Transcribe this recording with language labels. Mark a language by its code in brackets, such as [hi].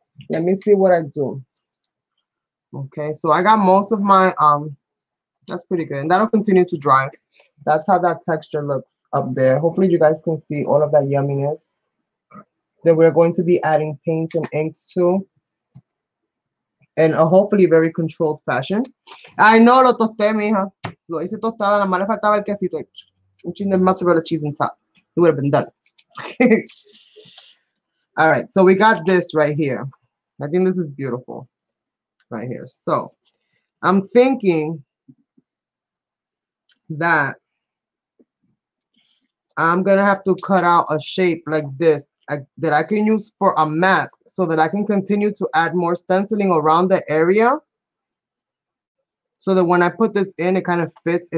[en] Let me see what I do. Okay, so I got most of my, that's pretty good. And that'll continue to dry. That's how that texture looks up there. Hopefully you guys can see all of that yumminess that we're going to be adding paints and inks to. In a hopefully very controlled fashion. I know, [es] lo tosté, mija. Lo hice tostada, la mala faltaba el quesito. Un chin de [en] mozzarella cheese on top. It would have been done. All right, so we got this right here. I think this is beautiful right here. So I'm thinking that I'm going to have to cut out a shape like this that I can use for a mask so that I can continue to add more stenciling around the area so that when I put this in, it kind of fits.